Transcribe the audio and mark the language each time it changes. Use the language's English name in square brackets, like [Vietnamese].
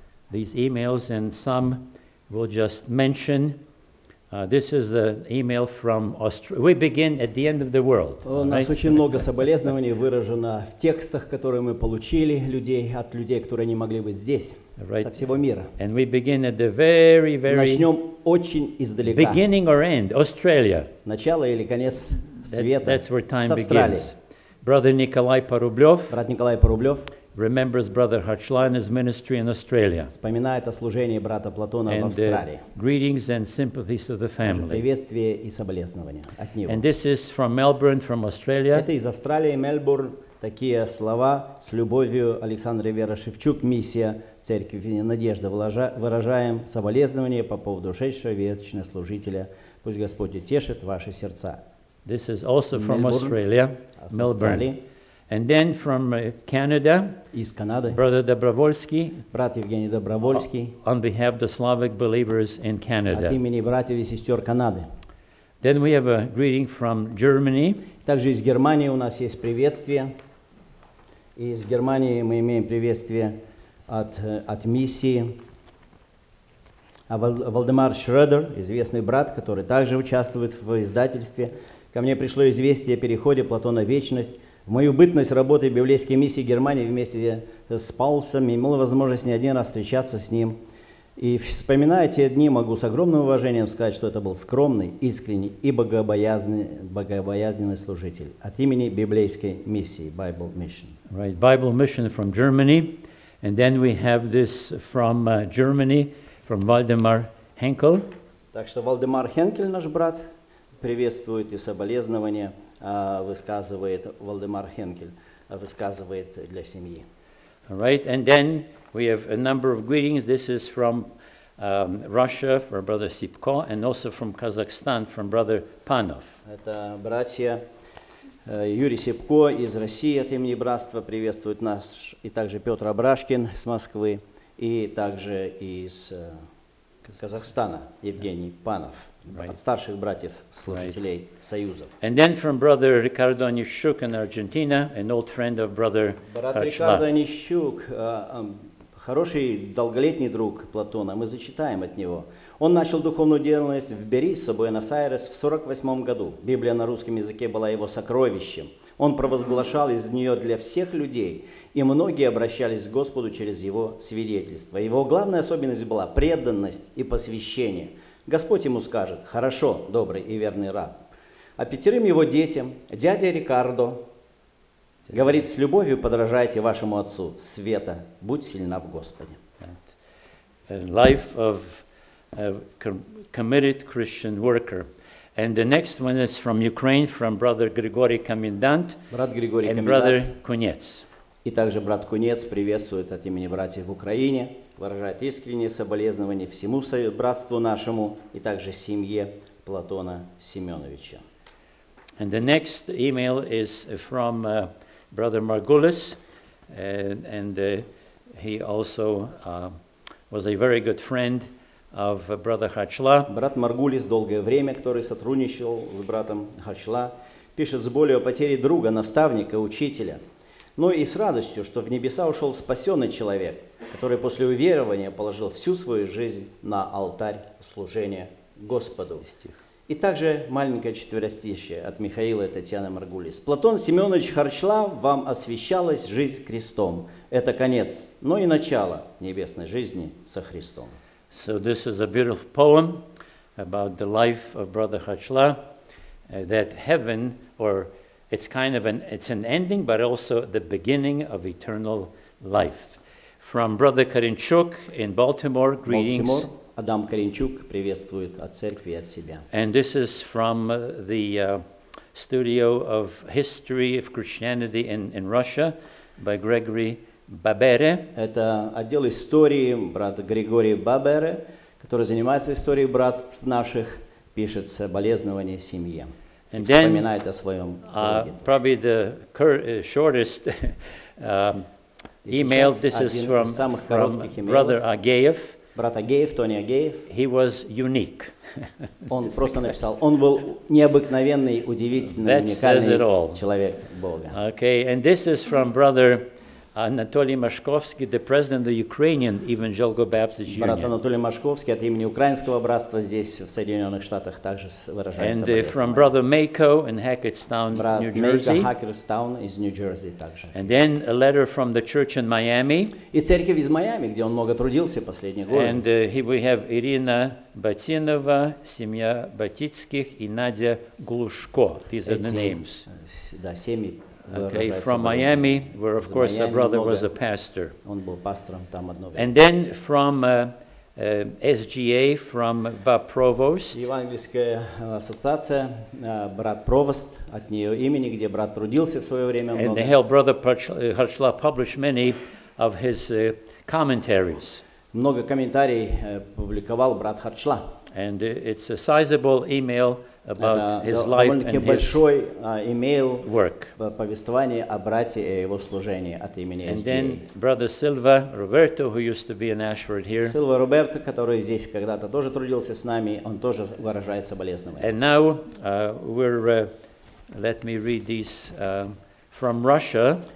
[English] These emails, and some we'll just mention. This is an email from Australia. We begin at the end of the world. [Russian] У нас очень много соболезнований выражено в текстах, которые мы получили от людей, которые не могли быть здесь, со всего мира. [English] And we begin at the very, very. [Russian] Начнем очень издалека. [English] Beginning or end, Australia. [Russian] Начало или конец. [English] That's where time begins. Brother Nikolai Porublev. [Russian] Брат Николай Порублев. [English] Remembers Brother Hachlana's ministry in Australia. [Russian] Вспоминает о служении брата Платона в Австралии. [English] Greetings and sympathies to the family. [Russian] Приветствие и соболезнования от него. [English] And this is from Melbourne, from Australia. [Russian] Это из Австралии, Мельбурн. Такие слова: с любовью, Александр и Вера Шевчук, миссия Церкви Надежда. Выражаем соболезнования по поводу ушедшего вечного служителя. Пусть Господь утешит ваши сердца. [English] This is also from Australia, Melbourne. And then from Canada, [Russian] из Канады, [English] Brother Dobrovolsky, [Russian] брат Евгений Добровольский, [English] on behalf of the Slavic believers in Canada. [Russian] От имени братьев и сестер Канады. [English] Then we have a greeting from Germany. [Russian] Также из Германии у нас есть приветствие. Из Германии мы имеем приветствие от миссии. А Вальдемар Шредер, известный брат, который также участвует в издательстве, ко мне пришло известие о переходе Платона в вечность. В мою бытность работы в библейской миссии Германии вместе с Паулсом имел возможность не один раз встречаться с ним. И вспоминая те дни, могу с огромным уважением сказать, что это был скромный, искренний и богобоязненный служитель от имени библейской миссии, Bible Mission. [English] Right, Bible Mission from Germany. And then we have this from Germany, from Waldemar Henkel. [Russian] Так что Вальдемар Хенкель, наш брат, приветствует и соболезнования высказывает Вальдемар Хенкель, высказывает для семьи. [English] All right, and then we have a number of greetings. This is from Russia, from Brother Sipko, and also from Kazakhstan, from Brother Panov. [Russian] Это братья Юрий Сипко из России от имени братства приветствует нас, и также Петр Абрашкин с Москвы, и также из Казахстана Евгений Панов. Right. От старших братьев, служителей right. Союзов. [English] And then from brother Ricardo Anishuk in Argentina, an old friend of brother Hachla. [Russian] Брат Ricardo Anishuk, хороший долголетний друг Платона, мы зачитаем от него. Он начал духовную деятельность в Берисе, Буэнос-Айрес, в 48 году. Библия на русском языке была его сокровищем. Он провозглашал из нее для всех людей, и многие обращались к Господу через его свидетельство. Его главная особенность была преданность и посвящение. Господь ему скажет: «Хорошо, добрый и верный раб». А пятерым его детям, дядя Рикардо, говорит: «С любовью подражайте вашему отцу, Света, будь сильна в Господе». [English] Life of a committed Christian worker. And the next one is from Ukraine, from brother Grigory Komendant and brother Kunets. [Russian] И также брат Кунец приветствует от имени братьев в Украине. Выражает искренние соболезнования всему братству нашему и также семье Платона Семеновича. [English] And the next email is from brother Margulis, and he also was a very good friend of brother Hachla. [Russian] Брат Маргулис долгое время, который сотрудничал с братом Хачла, пишет с болью о потере друга, наставника, учителя. Но и с радостью, что в небеса ушел спасенный человек, который после уверования положил всю свою жизнь на алтарь служения Господу. И также маленькое четверостишье от Михаила и Татьяны Маргулис. Платон Семенович Харчлав, вам освящалась жизнь Христом. Это конец, но и начало небесной жизни со Христом. [English] So this is a beautiful poem about the life of Brother Harchla, that heaven, or it's kind of an, it's an ending, but also the beginning of eternal life. From Brother Karinchuk in Baltimore, greetings. Baltimore. [Russian] Адам Каринчук приветствует от церкви и от себя. [English] And this is from the studio of history of Christianity in Russia by Gregory Babere. [Russian] Это отдел истории брата Григория Бабере, который занимается историей братств наших, пишет соболезнования семье. [English] And [Russian] вспоминает о своем коллеге. [English] Probably the shortest email. This is from brother Агеев. [Russian] Брат Агеев, Тони Агеев. [English] He was unique. [Russian] Он просто написал. Он был необыкновенный, удивительный, уникальный человек Бога. [English] Okay, and this is from brother Anatoly Mashkovsky, the president of the Ukrainian Evangelical Baptist Union. [Russian] Брат Анатолий Машковский от имени Украинского братства здесь в Соединенных Штатах также выражает [English] And from brother Mako in Hackettstown, New Jersey. [Russian] Брат Мейко Хакерстаун из Нью-Джерси также. [English] And then a letter from the church in Miami. [Russian] И церковь из Майами, где он много трудился последние годы. [English] And we have Ирина Батинова, [Russian] семья Батицких, и [English] Надя Глушко. These are the names. [Russian] Да, семьи. [English] Okay, from Miami, where of course our brother was a pastor. [Russian] Он был пастором там одно время. [English] And then from SGA, from Bob Provost. [Russian] Евангельская ассоциация, брат Провост, от нее имени, где брат трудился в свое время. [English] And they helped brother Harchla publish many of his commentaries. [Russian] Много комментариев публиковал брат Харчла. [English] And it's a sizable email. About his life and [Russian] большой, [English] his work. [Russian] Повествование о брате и его служении от имени [English] SGA. And then brother Silva Roberto, who used to be in Ashford here. [Russian] Silva Roberto, который здесь когда-то тоже трудился с нами, он тоже выражает соболезнования. [English] And now we're let me read this from Russia.